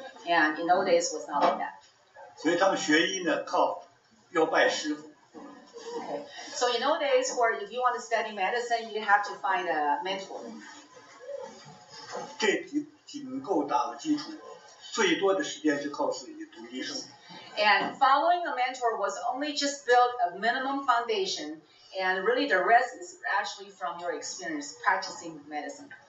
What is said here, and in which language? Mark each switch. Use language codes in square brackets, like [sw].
[en] And in the old days, it was not like that. [zh] 所以他们学医呢，靠要拜师傅。 [en] So in the old days, where if you want to study medicine, you have to find a mentor. [zh] 这仅够打了基础，最多的时间是靠自己读医生。 [en] And following a mentor was only just built a minimum foundation, and really the rest is actually from your experience practicing medicine.